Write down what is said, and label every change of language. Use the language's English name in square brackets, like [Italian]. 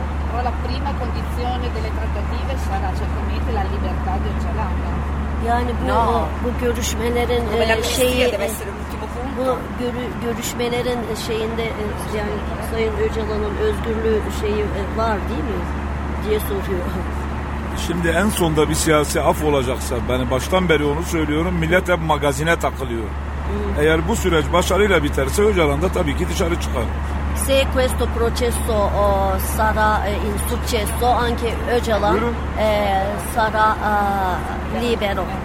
[Italian] Però la prima condizione delle trattative sarà certamente la libertà di Öcalan. [Turkish] Yani bu görüşmelerin şeyi bu görüşmelerin şeyinde yani Sayın Öcalan'ın özgürlüğü şeyi var değil mi diye soruyor. Şimdi en sonda bir siyasi af olacaksa, ben baştan beri onu söylüyorum, millet hep magazine takılıyor. Eğer bu süreç başarıyla biterse Öcalan da tabii ki dışarı çıkar. [Italian] Se questo processo sarà in successo, anche Öcalan sarà libero.